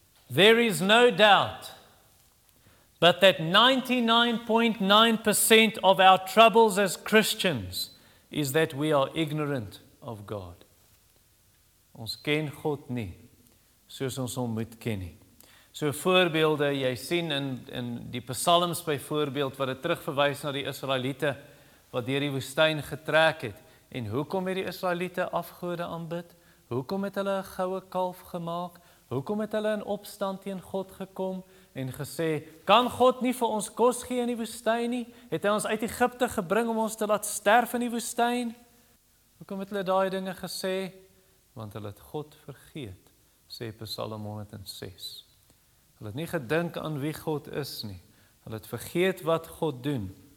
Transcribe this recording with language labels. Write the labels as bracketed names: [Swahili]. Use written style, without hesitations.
[English] There is no doubt but that 99.9% of our troubles as Christians is that we are ignorant of God. [Afrikaans] Ons ken God nie, soos ons hom moet ken nie. So voorbeelde, jy sien in die psalms byvoorbeeld, wat het terugverwys na die Israeliete, wat deur die woestyn getrek het. En hoekom het die Israeliete afgode aanbid? Hoekom het hulle 'n goue kalf gemaak? Hoekom het hulle in opstand teen God gekom? En gesê, kan God nie vir ons kos gee in die woestyn nie? Het hy ons uit Egipte gebring om ons te laat sterf in die woestyn? Hoekom het hulle daai dinge gesê? Want hulle het God vergeet, sê Psalm 106. Hulle het nie gedink aan wie God is nie. Hulle het vergeet wat God doen.